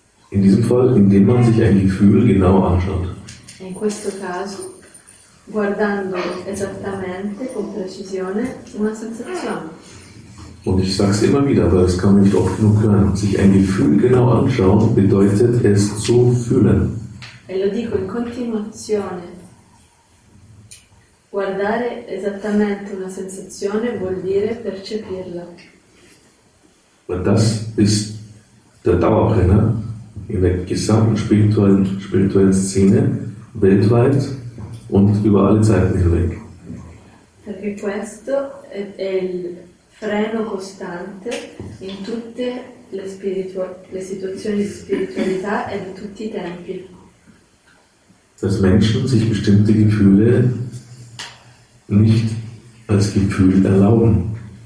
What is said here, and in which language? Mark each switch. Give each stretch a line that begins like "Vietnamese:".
German: In diesem Fall, indem man sich ein Gefühl genau anschaut.
Italian: In questo caso, guardando esattamente, con precisione, una sensazione.
German: Und ich sage es immer wieder, weil das kann man nicht oft genug hören. Sich ein Gefühl genau anschauen, bedeutet es zu fühlen.
Italian: E lo dico in continuazione. Guardare esattamente una sensazione vuol dire percepirla.
German: Und das ist der Dauerbrenner in der gesamten spirituellen Szene, weltweit und über alle Zeiten hinweg.
Italian: Perché questo è il freno costante in tutte le situazioni di spiritualità e in tutti i tempi.
German: Dass Menschen sich bestimmte Gefühle nicht als Gefühl erlauben.